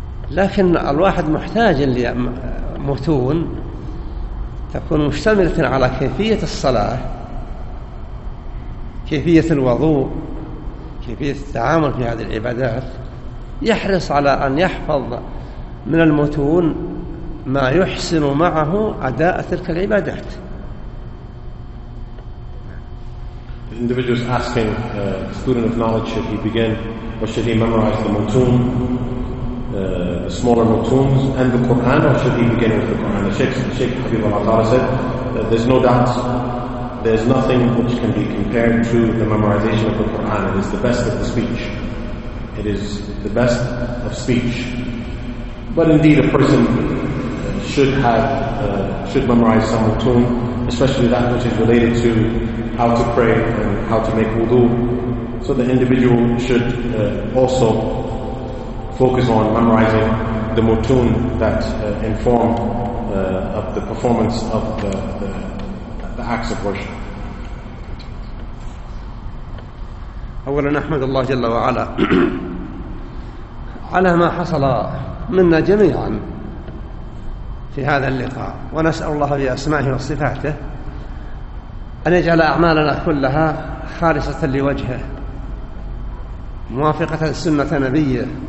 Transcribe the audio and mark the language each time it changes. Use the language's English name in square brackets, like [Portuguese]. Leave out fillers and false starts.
[Arabic] لكن الواحد محتاج لمتون تكون مشتملة على كيفية الصلاة، كيفية الوضوء، كيفية التعامل في هذه العبادات. يحرص على أن يحفظ من المتون ما يحسن معه أداء تلك العبادات. [English] Individuals asking, the student of knowledge, should he begin or should he memorize the mutun, the smaller mutuns, and the Quran, or should he begin with the Quran? The Sheikh Habib al-Atala said, there's no doubt, there's nothing which can be compared to the memorization of the Quran. It is the best of the speech. It is the best of speech. But indeed, a person should memorize some mutun, especially that which is related to how to pray and how to make wudu. So the individual should also focus on memorizing the mutun that inform of the performance of the acts of worship. [Arabic] أولا نحمد الله جل وعلا على ما حصل منا جميعا في هذا اللقاء، ونسأل الله بأسمائه وصفاته أن يجعل أعمالنا كلها خالصة لوجهه، موافقة لسنة نبيه،